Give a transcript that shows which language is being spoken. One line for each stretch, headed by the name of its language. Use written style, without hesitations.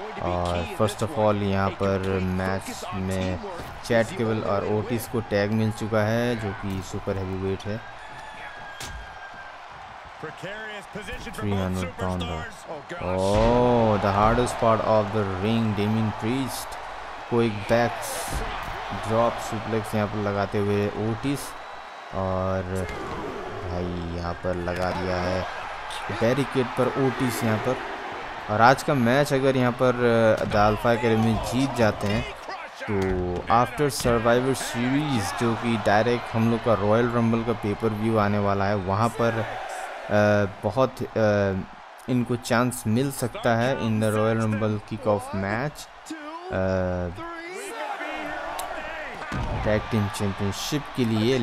Hindi: और first of all यहाँ पर मैच में चैट केबल और ओटिस को टैग मिल चुका है जो कि सुपर हैवी वेट है।
English: 300 pounder. The hardest part of the ring.
Hindi: Damien Priest quick back drop suplex यहाँ पर लगाते हुए Otis, और भाई यहाँ पर लगा दिया है barricade पर Otis यहाँ पर। और आज का मैच अगर यहाँ पर Alpha Academy जीत जाते हैं तो आफ्टर सर्वाइवर सीरीज जो कि डायरेक्ट हम लोग का रॉयल रंबल का पेपर व्यू आने वाला है वहाँ पर बहुत इनको चांस मिल सकता है
English: in the royal rumble kick off match tag team championship
Hindi: के लिए।